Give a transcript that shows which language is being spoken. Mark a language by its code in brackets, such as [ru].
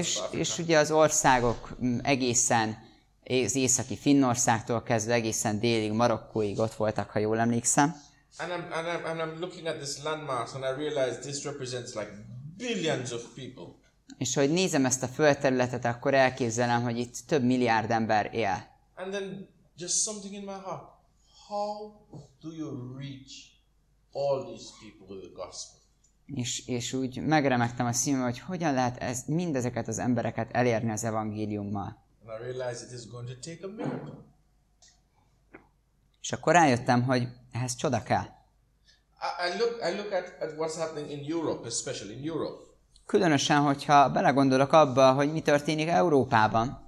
[hu] És ugye az országok egészen az északi Finnországtól kezdve egészen délig Marokkóig ott voltak, ha jól emlékszem. [en] And I'm looking at this landmark and I realize this represents like billions of people. [hu] És hogy nézem ezt a földterületet, akkor elképzelem, hogy itt több milliárd ember él. [en] And then just something in my heart. How do you reach all these people with the gospel? [hu] És úgy megremegtem a szívem, hogy hogyan lehet ez mindezeket az embereket elérni az evangéliummal. [en] And I realize it is going to take a miracle. [hu] És akkor rájöttem, hogy ehhez csoda kell. [en] I look at what's happening in Europe, especially in Europe. [hu] Különösen, hogyha belegondolok abba, hogy mi történik Európában.